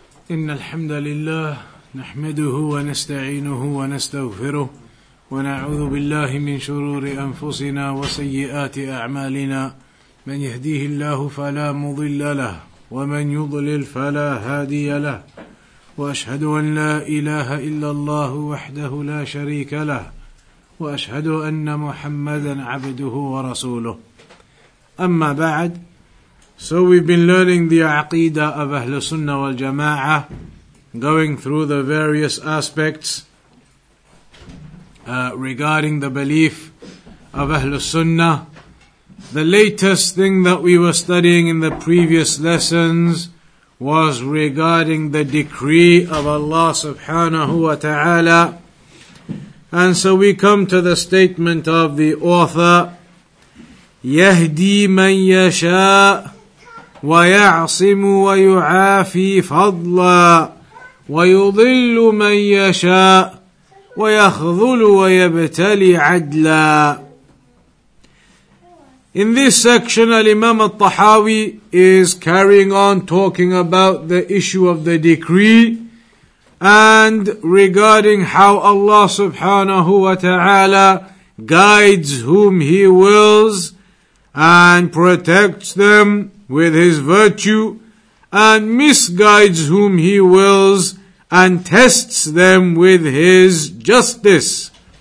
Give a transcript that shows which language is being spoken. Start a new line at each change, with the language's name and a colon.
Arabic: إن الحمد لله نحمده ونستعينه ونستغفره ونعوذ بالله من شرور أنفسنا وسيئات أعمالنا من يهديه الله فلا مضل له ومن يضلل فلا هادي له وأشهد أن لا إله إلا الله وحده لا شريك له وأشهد أن محمدا عبده ورسوله أما بعد.
English: So we've been learning the Aqeedah of Ahl Sunnah wal Jama'ah, going through the various aspects regarding the belief of Ahl Sunnah. The latest thing that we were studying in the previous lessons was regarding the decree of Allah subhanahu wa ta'ala. And so we come to the statement of the author,
Arabic: يَهْدِي مَن يَشَاءُ وَيَعْصِمُ وَيُعَافِي فَضْلًا وَيُضِلُّ مَنْ يَشَاءُ وَيَخْذُلُ وَيَبْتَلِي عَدْلًا.
English: In this section, Al-Imam al-Tahawi is carrying on talking about the issue of the decree and regarding how Allah subhanahu wa ta'ala guides whom He wills and protects them with His virtue, and misguides whom He wills and tests them with His justice.